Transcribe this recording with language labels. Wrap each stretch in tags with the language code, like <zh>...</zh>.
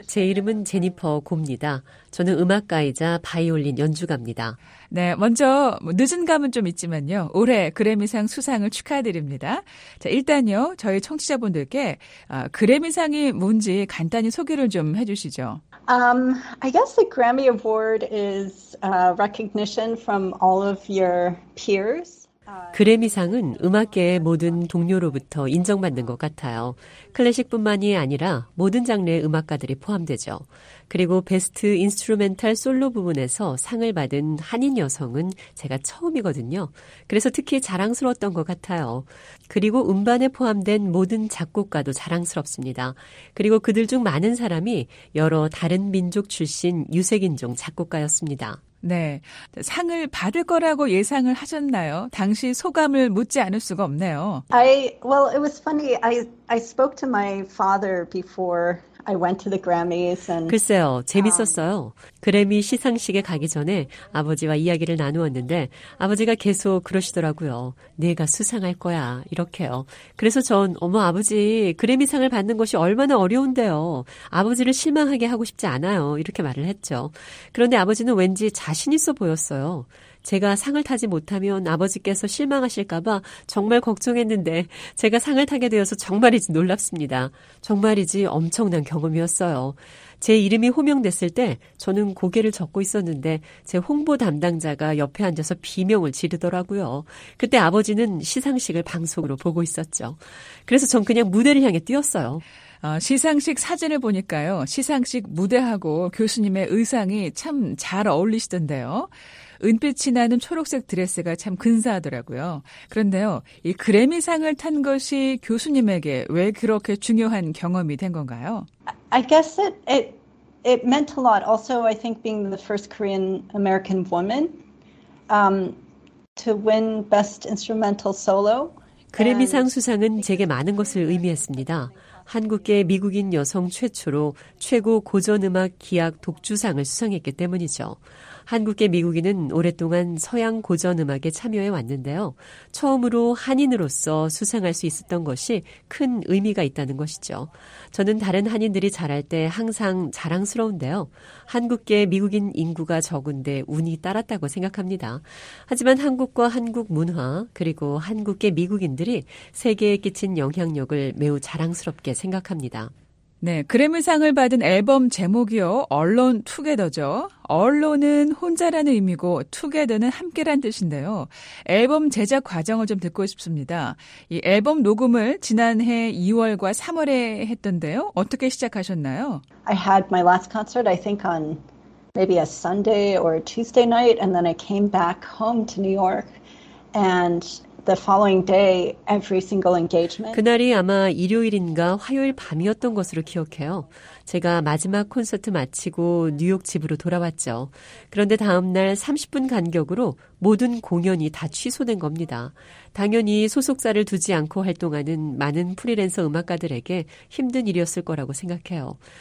<ko>제 이름은 제니퍼 고입니다. 저는 음악가이자 바이올린 연주가입니다. 네, 먼저 늦은 감은 좀 있지만요. 올해 그래미상 수상을 축하드립니다. 자, 일단요, 저희 청취자분들께 그래미상이 뭔지 간단히 소개를 좀 해주시죠.</ko> <en>I guess the Grammy Award is recognition from all of your peers.</en> <ko>그래미상은 음악계의 모든 동료로부터 인정받는 것 같아요. 클래식뿐만이 아니라 모든 장르의 음악가들이 포함되죠. 그리고 베스트 인스트루멘탈 솔로 부분에서 상을 받은 한인 여성은 제가 처음이거든요. 그래서 특히 자랑스러웠던 것 같아요. 그리고 음반에 포함된 모든 작곡가도 자랑스럽습니다. 그리고 그들 중 많은 사람이 여러 다른 민족 출신 유색인종 작곡가였습니다. 네, 상을 받을 거라고 예상을 하셨나요? 당시 소감을 묻지 않을 수가 없네요.</ko> <en>It was funny. I spoke to my father before I went to the Grammys.</en> <ko>글쎄요, 재밌었어요. 그래미 시상식에 가기 전에 아버지와 이야기를 나누었는데 아버지가 계속 그러시더라고요. 내가 수상할 거야, 이렇게요. 그래서 전 어머 아버지, 그래미상을 받는 것이 얼마나 어려운데요. 아버지를 실망하게 하고 싶지 않아요, 이렇게 말을 했죠. 그런데 아버지는 왠지 자신 있어 보였어요. 제가 상을 타지 못하면 아버지께서 실망하실까봐 정말 걱정했는데 제가 상을 타게 되어서 정말이지 놀랍습니다. 정말이지 엄청난 경험이었어요. 제 이름이 호명됐을 때 저는 고개를 젓고 있었는데 제 홍보 담당자가 옆에 앉아서 비명을 지르더라고요. 그때 아버지는 시상식을 방송으로 보고 있었죠. 그래서 전 그냥 무대를 향해 뛰었어요. 시상식 사진을 보니까요. 시상식 무대하고 교수님의 의상이 참 잘 어울리시던데요. 은빛이 나는 초록색 드레스가 참 근사하더라고요. 그런데요, 이 그래미상을 탄 것이 교수님에게 왜 그렇게 중요한 경험이 된 건가요?</ko> <en>I guess it meant a lot. Also, I think being the first Korean American woman to win Best Instrumental Solo.</en> <ko>그래미상 수상은 제게 많은 것을 의미했습니다. 한국계 미국인 여성 최초로 최고 고전음악 기악 독주상을 수상했기 때문이죠. 한국계 미국인은 오랫동안 서양 고전음악에 참여해 왔는데요. 처음으로 한인으로서 수상할 수 있었던 것이 큰 의미가 있다는 것이죠. 저는 다른 한인들이 잘할 때 항상 자랑스러운데요. 한국계 미국인 인구가 적은데 운이 따랐다고 생각합니다. 하지만 한국과 한국 문화 그리고 한국계 미국인들이 세계에 끼친 영향력을 매우 자랑스럽게 생각합니다. 네, 그래미상을 받은 앨범 제목이요. Alone Together죠. Alone은 혼자라는 의미고 Together는 함께란 뜻인데요. 앨범 제작 과정을 좀 듣고 싶습니다. 이 앨범 녹음을 지난해 2월과 3월에 했던데요. 어떻게 시작하셨나요?</ko> <en>I had my last concert, I think, on maybe a Sunday or a Tuesday night, and then I came back home to New York, and the following day, every single engagement.</en> <ko>그날이 아마 일요일인가 화요일 밤이었던 것으로 기억해요. 제가 마지막 콘서트 마치고 뉴욕 집으로 돌아왔죠. 그런데 다음 날 30분 간격으로 모든 공연이 다 취소된 겁니다. 당연히 소속사를 두지 않고 활동하는 많은 프리랜서 음악가들에게 힘든 일이었을 거라고 생각해요.</ko>